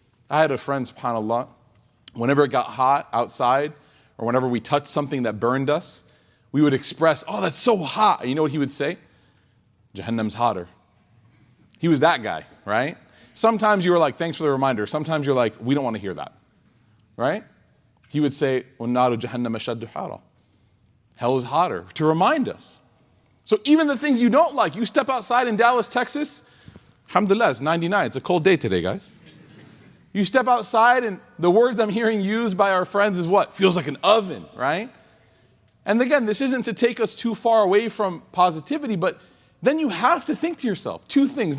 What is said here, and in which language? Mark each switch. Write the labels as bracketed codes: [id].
[en] I had a friend, subhanAllah, whenever it got hot outside or whenever we touched something that burned us, we would express, oh, that's so hot. You know what he would say? Jahannam's hotter. He was that guy, right? Sometimes you were like, thanks for the reminder. Sometimes you're like, we don't want to hear that, right? [ar] He would say, وَنَّارُ جَهَنَّمَ أَشَدُّ حَرًا. [en] Hell is hotter, to remind us. So even the things you don't like, you step outside in Dallas, Texas, alhamdulillah, it's 99, it's a cold day today, guys. You step outside and the words I'm hearing used by our friends is what? Feels like an oven, right? And again, this isn't to take us too far away from positivity, but then you have to think to yourself, two things.